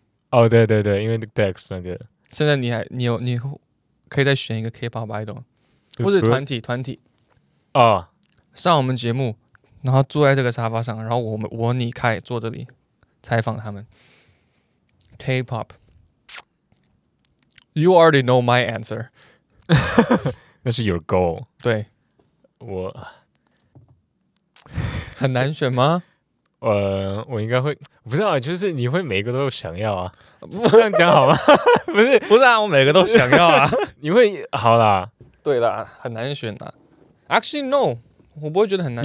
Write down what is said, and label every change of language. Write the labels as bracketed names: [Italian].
[Chinese] 哦、oh, ，对对对，因为 Dex 那个。现在你可以再选一个 K-pop idol， 或者团体啊， oh. 上我们节目，然后坐在这个沙发上，然后我你开坐这里采访他们 K-pop。 [English] You already know my answer. [Chinese] 那是 [English] your goal. [Chinese] 对，我很难选吗？我应该会，不是啊，就是你会每一个都想要啊，不这样讲好吗？不是，不是啊，我每个都想要啊。你会好啦，对啦，很难选啦。 [English] Actually, no， [Chinese] 我不会觉得很难